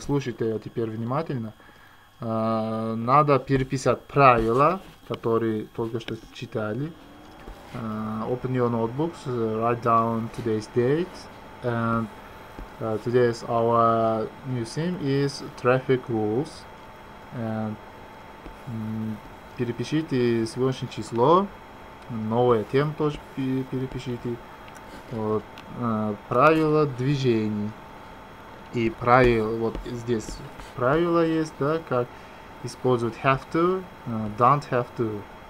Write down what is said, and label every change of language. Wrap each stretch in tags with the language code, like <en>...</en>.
<ru>Слушайте теперь внимательно. Надо переписать правила, которые только что читали.</ru> <en>Open your notebooks, write down today's date, and today's our new theme is traffic rules. And</en> <ru>перепишите сегодняшнее число, новое тему тоже перепишите. Вот, правила движений и правила, вот здесь правила есть, да, как использовать</ru> <en>have to, don't have to.</en>